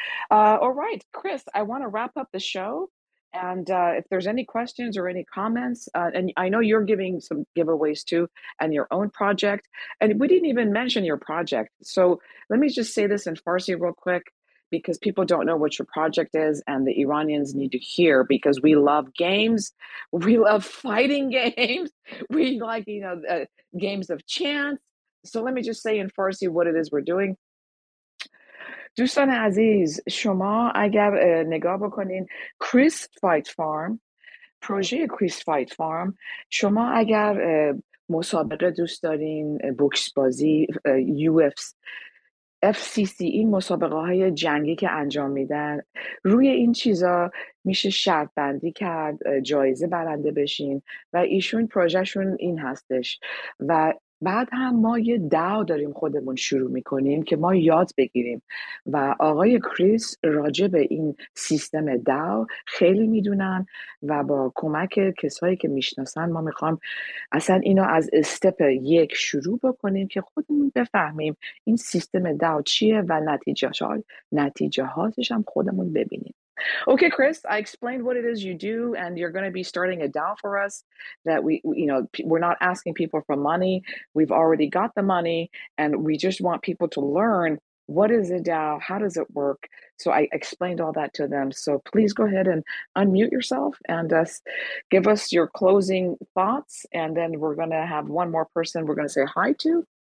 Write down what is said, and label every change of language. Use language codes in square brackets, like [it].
[en] All right, Chris, I want to wrap up the show, and if there's any questions or any comments, and I know you're giving some giveaways too, and your own project, and we didn't even mention your project. So let me just say this in Farsi real quick, because people don't know what your project is, and the Iranians need to hear, because we love games. We love fighting games. We like, you know, games of chance. So let me just say in Farsi what it is we're doing. [fa] دوستان عزیز، شما اگر نگاه بکنین کریس فایت فارم، پروژه کریس فایت فارم، شما اگر مسابقه دوست دارین، بوکس بازی، یو اف سی سی، این مسابقه های جنگی که انجام میدن، روی این چیزا میشه شرط بندی کرد، جایزه برنده بشین، و ایشون پروژه شون این هستش. و بعد هم ما یه دعو داریم خودمون شروع میکنیم که ما یاد بگیریم، و آقای کریس راجع به این سیستم دعو خیلی میدونن، و با کمک کسایی که میشناسن ما میخوام اصلا اینو از استپ یک شروع بکنیم که خودمون بفهمیم این سیستم دعو چیه و نتیجه هاتش هم خودمون ببینیم. [en] Okay, Chris, I explained what it is you do, and you're going to be starting a DAO for us that we're not asking people for money. We've already got the money, and we just want people to learn what is a DAO, how does it work. So I explained all that to them. So please go ahead and unmute yourself and give us your closing thoughts, and then we're going to have one more person we're going to say hi to.